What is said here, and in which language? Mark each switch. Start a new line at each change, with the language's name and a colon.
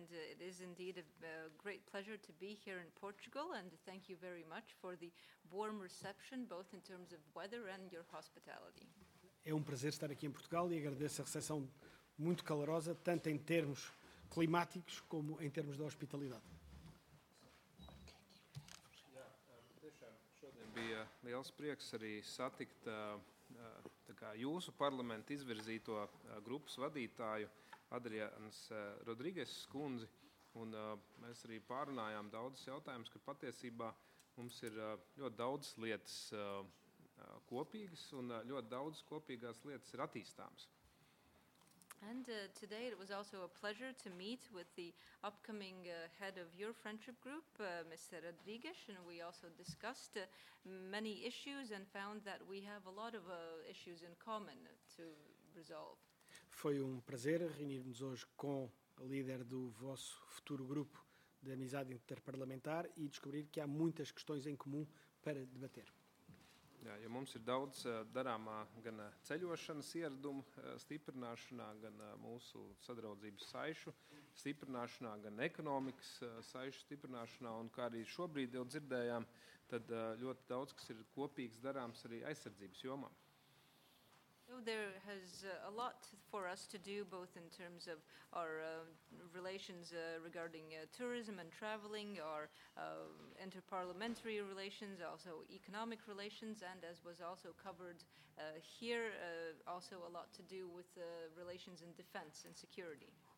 English: It is indeed a great pleasure to be here in Portugal, and thank you very much for the warm reception, both in terms of weather and your hospitality.
Portuguese: É prazer estar aqui em Portugal e agradeço a recepção muito calorosa, tanto em termos climáticos como em termos de hospitalidade.
Latvian: Šodien bija liels prieks arī satikt tā kā jūsu parlamenta izvirzīto grupas vadītāju, Adrians Rodriguez kundzi, un mēs arī pārunājām daudzas jautājumus, ka patiesībā mums ir ļoti daudz lietas kopīgas, un ļoti daudz kopīgās lietas ir attīstāmas.
English: And today it was also a pleasure to meet with the upcoming head of your friendship group, Mr. Rodriguez, and we also discussed many issues and found that we have a lot of issues in common to resolve.
Portuguese: Foi prazer reunirmos hoje com a líder do vosso futuro grupo de amizade interparlamentar e descobrir que há muitas questões em comum para debater.
Latvian: Jā, ja mums ir daudz darāmā gan ceļošanas ieradumu stiprināšanā, gan mūsu sadraudzības saišu stiprināšanā, gan ekonomikas saišu stiprināšanā, un kā arī šobrīd jau dzirdējām, tad ļoti daudz, kas ir kopīgs darāms arī aizsardzības jomā.
English: So there has a lot for us to do, both in terms of our relations regarding tourism and traveling, our interparliamentary relations, also economic relations, and as was also covered here, also a lot to do with relations in defense and security.